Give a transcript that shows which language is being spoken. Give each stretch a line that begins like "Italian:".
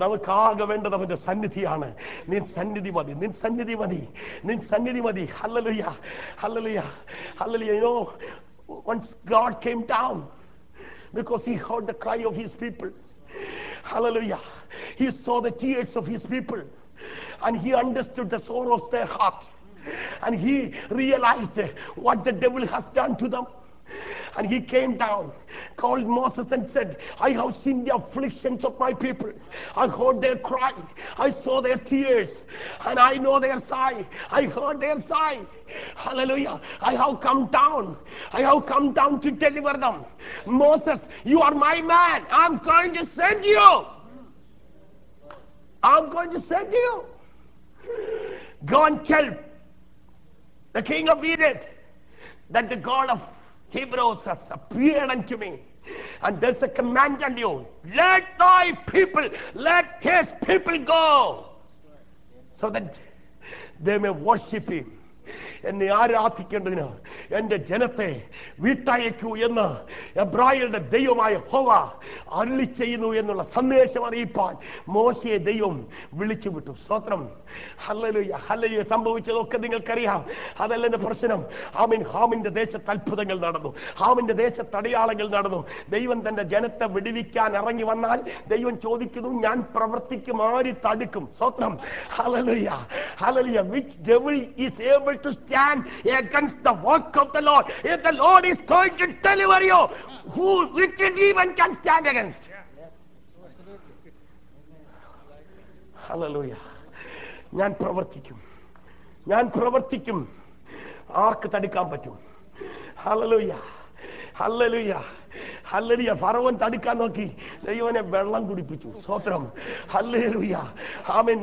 Malayalam: നമുക്കാകെ വേണ്ടത് അവന്റെ സന്നിധിയാണ്. നിൻ സന്നിധി മതി, നിൻ സന്നിധി മതി, നിൻ സന്നിധി മതി.
English: Hallelujah, hallelujah, hallelujah. You know, once God came to down because he heard the cry of his people. Hallelujah. He saw the tears of his people. And he understood the sorrow of their heart. And he realized what the devil has done to them. And he came down, called Moses and said, I have seen the afflictions of my people. I heard their cry. I saw their tears. And I know their sigh. I heard their sigh. Hallelujah. I have come down. I have come down to deliver them. Moses, you are my man. I'm going to send you. I'm going to send you. Go and tell the king of Egypt that the God of Hebrews has appeared unto me. And there's a command on you. Let thy people, let his people go. So that they may worship him.
Malayalam: എന്നെ ആരാധിക്കേണ്ടതിന് എന്റെ ജനത്തെ വീട്ടയക്കൂ എന്ന് എബ്രായരുടെ ദൈവമായ യഹോവ അരുളി ചെയ്യുന്നു എന്നുള്ള സന്ദേശം അറിയിപ്പാൻ മോശയെ ദൈവം വിളിച്ചു വിട്ടു. സ്തോത്രം. Hallelujah, hallelujah. സംഭവിച്ചതൊക്കെ നിങ്ങൾക്കറിയാം. അതല്ല എന്റെ പ്രശ്നം. ഹാമിൻ ഹാമിന്റെ ദേശത്ത് അത്ഭുതങ്ങൾ നടന്നു, ഹാമിന്റെ ദേശത്ത് അടയാളങ്ങൾ നടന്നു. ദൈവം തന്റെ ജനത്തെ വിടുവിക്കാൻ ഇറങ്ങി വന്നാൽ ദൈവം ചോദിക്കുന്നു, ഞാൻ പ്രവർത്തിക്ക് മാറി തടുക്കും. സ്തോത്രം. Hallelujah, hallelujah.
English: Which devil is able to stand against the work of the Lord? If the Lord is going to deliver you, who, which demon can stand against?
Malayalam: ഹലലൂയ. ഞാൻ പ്രവർത്തിക്കും, ഞാൻ പ്രവർത്തിക്കും, ആർക്ക് തടുക്കാൻ പറ്റും? ഹലലൂയ, ഹലലൂയ, ഹല്ലേലൂയ. ഫറവൻ തടുക്കാൻ നോക്കി, ദൈവനെ വെള്ളം കുടിപ്പിച്ചു. സ്തോത്രം, ഹല്ലേലൂയ. ആമേൻ.